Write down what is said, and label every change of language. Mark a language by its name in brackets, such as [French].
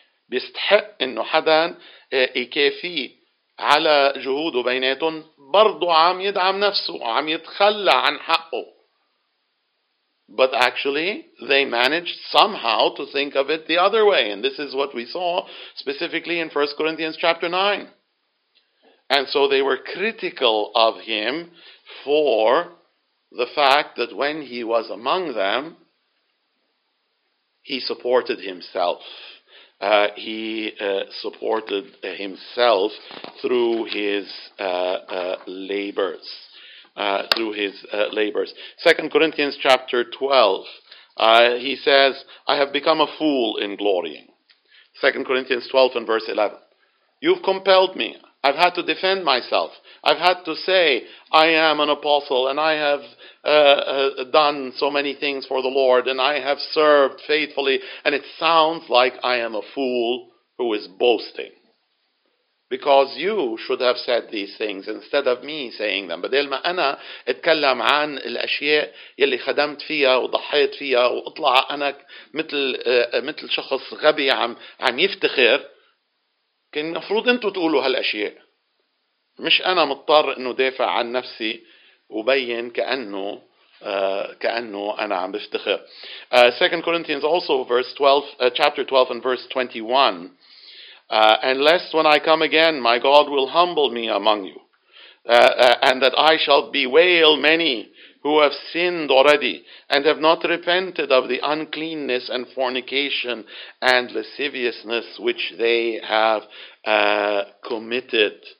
[Arabic] بيستحق إنه حدا يكافي على جهوده بيناتهم برضه عم يدعم نفسه عم يتخلى عن حقه. [English] But actually, they managed somehow to think of it the other way. And this is what we saw specifically in 1 Corinthians chapter 9. And so they were critical of him for the fact that when he was among them, he supported himself. He supported himself through his labors. Through his labors. 2 Corinthians chapter 12, he says, I have become a fool in glorying. 2 Corinthians 12 and verse 11. You've compelled me. I've had to defend myself. I've had to say, I am an apostle and I have done so many things for the Lord and I have served faithfully. And it sounds like I am a fool who is boasting. Because you should have said these things instead of me saying them. [Arabic] بدل ما أنا أتكلم عن الأشياء يلي خدمت فيها وضحيت فيها وأطلع أنا مثل شخص غبي عم يفتخر. كان المفروض أنتوا تقولوا هالأشياء. مش أنا مضطر إنه دافع عن نفسي وبين كأنه أنا عم بفتخر. [English] 2 Corinthians also verse 12, chapter 12 and verse 21. And lest when I come again, my God will humble me among you, and that I shall bewail many who have sinned already and have not repented of the uncleanness and fornication and lasciviousness which they have committed.